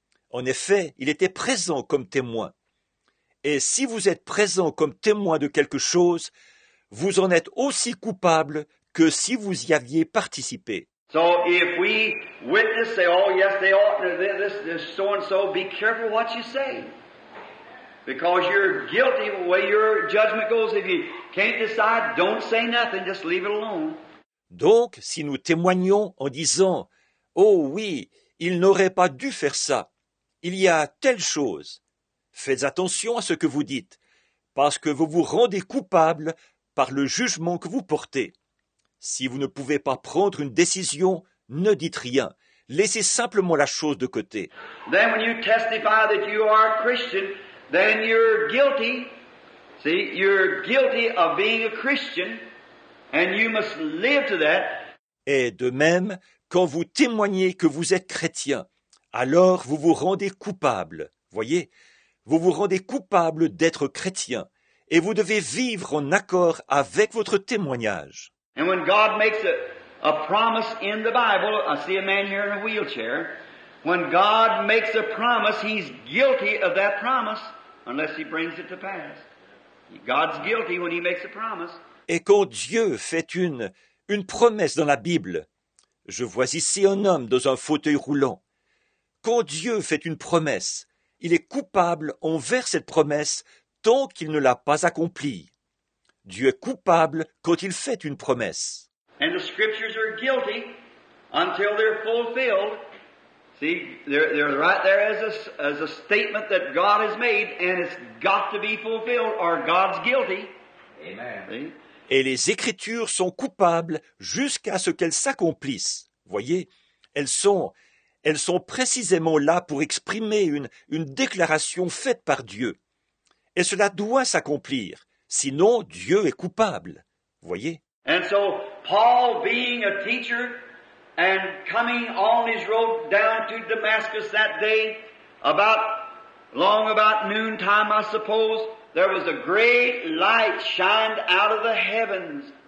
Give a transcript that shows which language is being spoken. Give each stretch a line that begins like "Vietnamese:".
French: En effet, il était présent comme témoin. Et si vous êtes présent comme témoin de quelque chose, vous en êtes aussi coupable que si vous y aviez participé.
English: So if we witness, say, oh yes, they ought to do this, this, so and so, be careful what you say. Because you're guilty the way your judgment goes. If you can't decide, don't say nothing, just leave it alone.
French: Donc, si nous témoignons en disant, oh oui, il n'aurait pas dû faire ça, il y a telle chose. Faites attention à ce que vous dites, parce que vous vous rendez coupable par le jugement que vous portez. Si vous ne pouvez pas prendre une décision, ne dites rien. Laissez simplement la chose de côté.
English: Then when you testify that you are a Christian, then you're guilty See, you're guilty of being a Christian, and you must live to that.
French: Et de même, quand vous témoignez que vous êtes chrétien, alors vous vous rendez coupable. Voyez, vous vous rendez coupable d'être chrétien, et vous devez vivre en accord avec votre témoignage.
English: And when God makes a promise in the Bible, I see a man here in a wheelchair. When God makes a promise, he's guilty of that promise unless he brings it to pass. God's guilty when he makes a promise.
French: Et quand Dieu fait une promesse dans la Bible, je vois ici un homme dans un fauteuil roulant. Quand Dieu fait une promesse, il est coupable envers cette promesse tant qu'il ne l'a pas accomplie. Dieu est coupable quand il fait une promesse.
English: And the scriptures are guilty until they're fulfilled. See, they're right there as a statement that God has made, and it's got to be fulfilled, or God's guilty. Amen. See?
French: Et les Écritures sont coupables jusqu'à ce qu'elles s'accomplissent. Voyez, elles sont précisément là pour exprimer une déclaration faite par Dieu. Et cela doit s'accomplir, sinon Dieu est coupable. Voyez.
English: And so, Paul being a teacher and coming on his road down to Damascus that day, about noontime, I suppose, there was a great light shined out of the heavens.